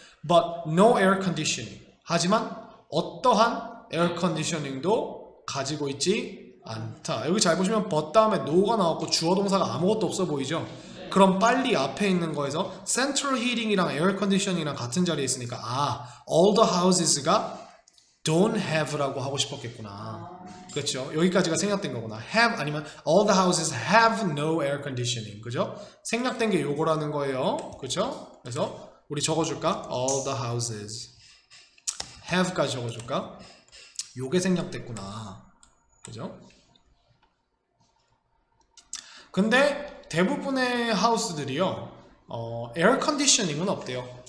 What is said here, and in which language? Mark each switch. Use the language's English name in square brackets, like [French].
[English] But no air conditioning. [Korean] 하지만 어떠한 air conditioning도 가지고 있지 안타. 여기 잘 보시면 but 다음에 no가 나왔고 주어 동사가 아무것도 없어 보이죠? 그럼 빨리 앞에 있는 거에서 central heating이랑 air conditioning이랑 같은 자리에 있으니까 아, [English] all the houses [Korean] 가 [English] don't have [Korean] 라고 하고 싶었겠구나. 그렇죠? 여기까지가 생략된 거구나. [English] have 아니면 all the houses have no air conditioning. [Korean] 그죠? 생략된 게 요거라는 거예요. 그렇죠? 그래서 우리 적어줄까? [English] all the houses have [Korean] 까지 적어줄까? 요게 생략됐구나. 그죠? 근데 대부분의 하우스들이요 에어컨디셔닝은 없대요.